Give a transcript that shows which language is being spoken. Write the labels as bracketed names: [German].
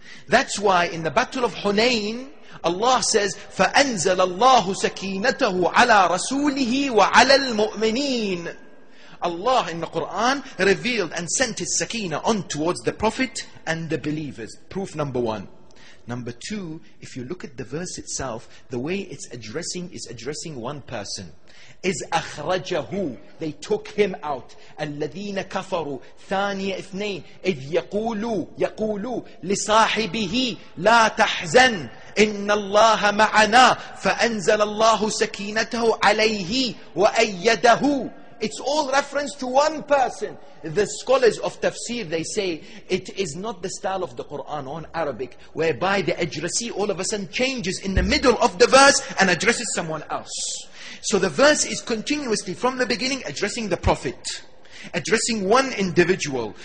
[English] That's why in the Battle of Hunain, Allah says, [Arabic] فَأَنزَلَ اللَّهُ سَكِينَتَهُ عَلَى رَسُولِهِ وَعَلَى الْمُؤْمِنِينَ. [English] Allah in the Quran revealed and sent His sakina on towards the Prophet and the believers. Proof number one. Number two, if you look at the verse itself, the way it's addressing is addressing one person. Is أخرجهُ. They took him out. [Arabic] الذين كفروا ثانية اثنين. إذ يقولوا لصاحبه لا تحزن. إن الله معنا. فأنزل الله سكينته عليه وأيده. [English] It's all reference to one person. The scholars of tafsir, they say, it is not the style of the Quran on Arabic, whereby the addressee all of a sudden changes in the middle of the verse and addresses someone else. So the verse is continuously from the beginning addressing the Prophet, addressing one individual.